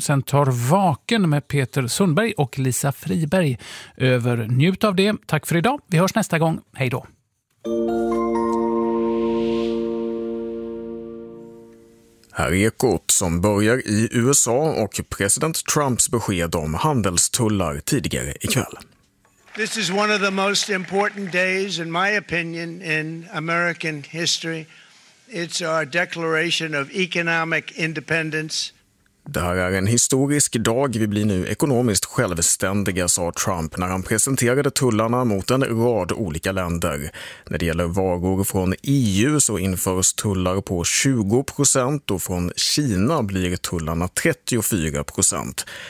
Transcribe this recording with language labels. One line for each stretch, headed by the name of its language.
Swedish: Sen tar Vaken med Peter Sundberg och Lisa Friberg över. Njut av det. Tack för idag. Vi hörs nästa gång. Hej då. Här är Ekot som börjar i USA och president Trumps besked om handelstullar tidigare ikväll.
English: This is one of the most important days in my opinion in American history. It's our declaration of economic independence.
Swedish: Det här är en historisk dag, vi blir nu ekonomiskt självständiga, sa Trump när han presenterade tullarna mot en rad olika länder. När det gäller varor från EU så införs tullar på 20% och från Kina blir tullarna 34%.